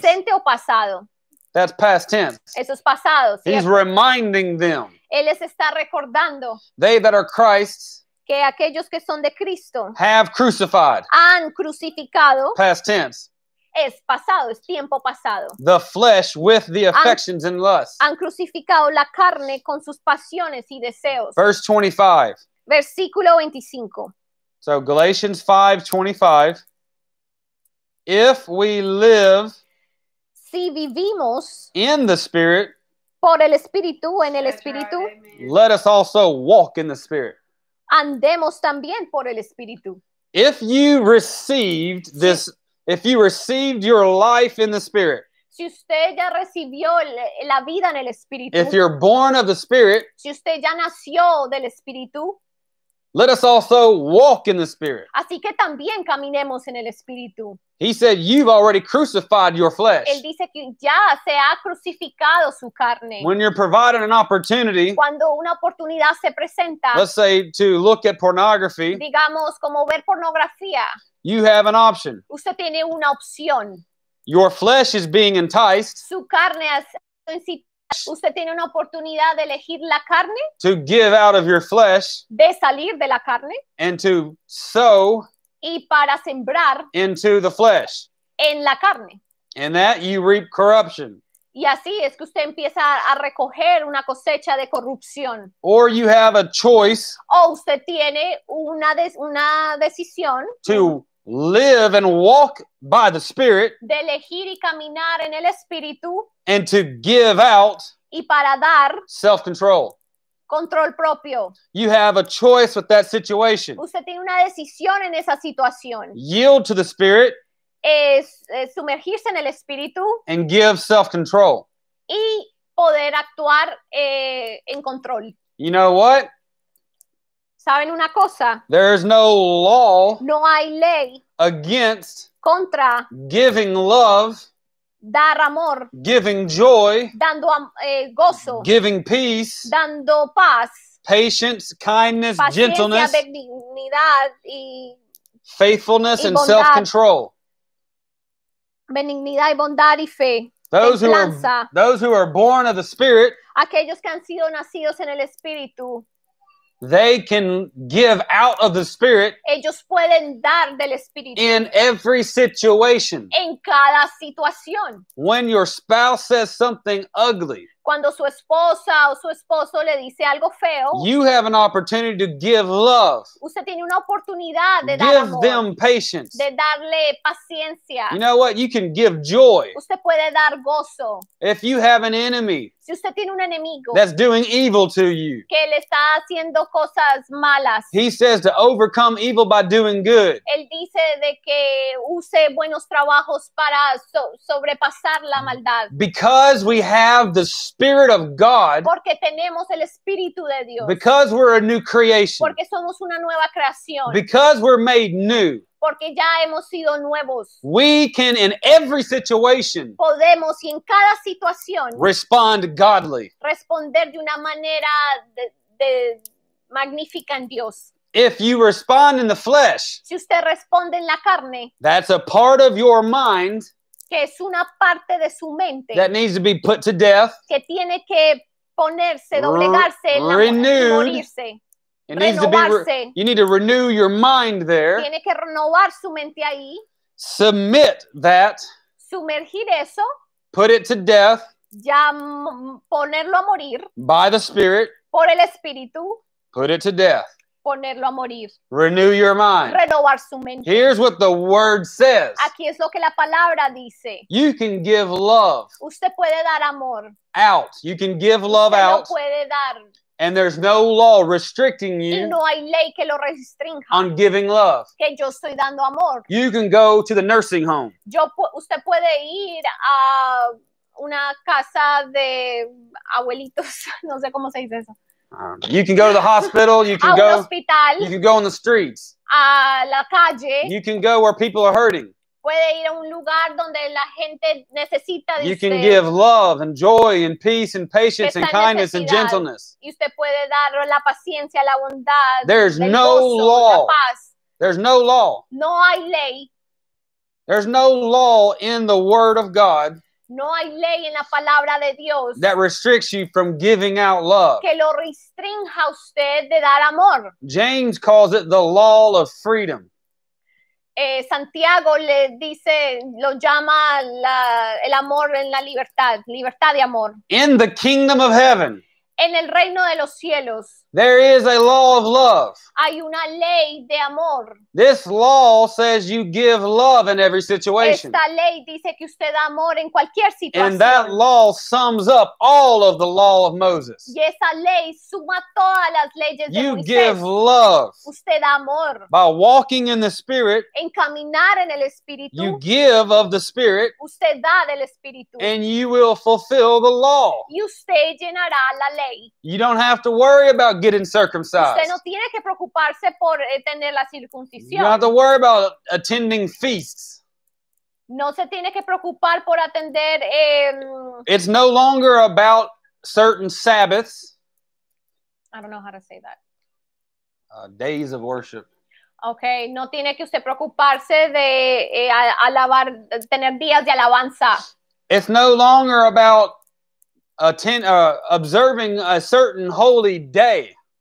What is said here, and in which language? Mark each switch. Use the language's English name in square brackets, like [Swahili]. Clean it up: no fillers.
[Spanish] Presente o pasado. [English] That's past tense. [Spanish] Eso es pasado. [English] He's cierto. Reminding them. [Spanish] Él les está recordando. [English] They that are Christ's. [Spanish] Que aquellos que son de Cristo [English] have crucified. [Spanish] Han crucificado. [English] Past tense. [Spanish] Es pasado, es tiempo pasado. [English] The flesh with the affections and lusts. [Spanish] Han crucificado la carne con sus pasiones y deseos. [English] Verse 25. [Spanish] Versículo 25. [English] So Galatians 5:25. If we live. [Spanish] Si vivimos. [English] In the Spirit. [Spanish] Por el Espíritu, en el Espíritu. [English] Let us also walk in the Spirit. [Spanish] Andemos también por el Espíritu. [English] If you received this, sí. If you received your life in the Spirit. [Spanish] Si usted ya recibió la vida en el Espíritu. [English] If you're born of the Spirit. [Spanish] Si usted ya nació del Espíritu. [English] Let us also walk in the Spirit. [Spanish] Así que también caminemos en el Espíritu. [English] He said you've already crucified your flesh. [Spanish] Él dice que ya se ha crucificado su carne. [English] When you're provided an opportunity. [Spanish] Cuando una oportunidad se presenta. [English] Let's say to look at pornography. [Spanish] Digamos como ver pornografía. [English] You have an option. [Spanish] Usted tiene una opción. [English] Your flesh is being enticed. [Spanish] Su carne ha sido incitada. Usted tiene una oportunidad de elegir la carne. [English] To give out of your flesh. [Spanish] De salir de la carne. [English] And to sow. [Spanish] y para sembrar [English] into the flesh. [Spanish] En la carne. [English] In that you reap corruption. [Spanish] Y así es que usted empieza a recoger una cosecha de corrupción. [English] Or you have a choice. [Spanish] O usted tiene una decisión. [English] To live and walk by the Spirit. [Spanish] De elegir y caminar en el Espíritu. [English] And to give out. [Spanish] Y para dar. [English] Self-control. [Spanish] Control propio. [English] You have a choice with that situation. [Spanish] Usted tiene una decisión en esa situación. [English] Yield to the Spirit. [Spanish] Sumergirse en el Espíritu. [English] And give self-control. [Spanish] Y poder actuar en control. [English] You know what? [Spanish] ¿Saben una cosa? [English] There is no law. [Spanish] No hay ley. [English] Against. [Spanish] Contra. [English] Giving love. [Spanish] Dar amor. [English] Giving joy. [Spanish] Dando gozo. [English] Giving peace. [Spanish] Dando paz. [English] Patience, kindness, [Spanish] paciencia, [English] gentleness. [Spanish] Benignidad y [English] faithfulness [Spanish] y [English] and self-control. [Spanish] Benignidad y bondad y fe. [English] Those who are born of the Spirit. [Spanish] Aquellos que han sido nacidos en el Espíritu. [English] They can give out of the Spirit. [Spanish] Ellos pueden dar del Espíritu. [English] In every situation. [Spanish] En cada situación. [English] When your spouse says something ugly. [Spanish] Cuando su esposa o su esposo le dice algo feo. [English] You have an opportunity to give love. [Spanish] Usted tiene una oportunidad de dar amor. [English] Give them patience. [Spanish] De darle paciencia. [English] You know what? You can give joy. [Spanish] Usted puede dar gozo. [English] If you have an enemy. [Spanish] Si usted tiene un enemigo. [English] That's doing evil to you. [Spanish] Que le está haciendo cosas malas. [English] He says to overcome evil by doing good. [Spanish] Él dice de que use buenos trabajos para sobrepasar la maldad. [English] Because we have the Spirit of God. [Spanish] Porque tenemos el Espíritu de Dios. [English] Because we're a new creation. [Spanish] Porque somos una nueva creación. [English] Because we're made new. [Spanish] Porque ya hemos sido nuevos. [English] We can in every situation. [Spanish] Podemos y en cada situación. [English] Respond godly. [Spanish] Responder de una manera de magnífica en Dios. [English] If you respond in the flesh. [Spanish] Si usted responde en la carne. [English] That's a part of your mind. [Spanish] Que es una parte de su mente. [English] That needs to be put to death. [Spanish] Que tiene que ponerse, doblegarse, [English] renewed. [Spanish] Morirse. [English] It needs to be you need to renew your mind there. [Spanish] Tiene que renovar su mente ahí. [English] Submit that. [Spanish] Sumergir eso. [English] Put it to death. [Spanish] Ya ponerlo a morir. [English] By the Spirit. [Spanish] Por el Espíritu. [English] Put it to death. [Spanish] Ponerlo a morir. [English] Renew your mind. [Spanish] Renovar su mente. [English] Here's what the word says. [Spanish] Aquí es lo que la palabra dice. [English] You can give love. [Spanish] Usted puede dar amor. [English] Out. You can give love [Spanish] usted [English] out. [Spanish] Lo puede dar. [English] And there's no law restricting you. [Spanish] Y no hay ley que lo restrinja. [English] On giving love. [Spanish] Que yo estoy dando amor. [English] You can go to the nursing home. [Spanish] Usted puede ir a una casa de abuelitos. No sé cómo se dice eso. [English] You can go to the hospital. You can go. [Spanish] Hospital, [English] you can go on the streets. [Spanish] A la calle. [English] You can go where people are hurting. [Spanish] Puede ir a un lugar donde la gente necesita. [English] You can give love and joy and peace and patience and kindness [Spanish] necesidad. [English] And gentleness. [Spanish] Y usted puede dar la paciencia, la bondad. [English] There's no [Spanish] gozo, [English] law. [Spanish] La paz. [English] There's no law. [Spanish] No hay ley. [English] There's no law in the Word of God. [Spanish] No hay ley en la palabra de Dios [English] that restricts you from giving out love. [Spanish] Que lo restrinja usted de dar amor. [English] James calls it the law of freedom. [Spanish] Santiago le dice, lo llama el amor en la libertad, libertad de amor. [English] In the kingdom of heaven. [Spanish] En el reino de los cielos. [English] There is a law of love. [Spanish] Hay una ley de amor. [English] This law says you give love in every situation. [Spanish] Esta ley dice que usted da amor en cualquier situación. [English] And that law sums up all of the law of Moses. [Spanish] Y esa ley suma todas las leyes de Moisés. [English] You give love. [Spanish] Usted da amor. [English] By walking in the Spirit. [Spanish] En caminar en el Espíritu. [English] You give of the Spirit. [Spanish] Usted da del Espíritu. [English] And you will fulfill the law. [Spanish] Y usted llenará la ley. [English] You don't have to worry about getting circumcised. [Spanish] Usted no tiene que preocuparse por tener la circuncisión. [English] You don't have to worry about attending feasts. [Spanish] No se tiene que preocupar por atender [English] It's no longer about certain Sabbaths. I don't know how to say that. Days of worship. [Spanish] Okay, no tiene que usted preocuparse de alabar, tener días de alabanza. [English] It's no longer about observing a certain holy day.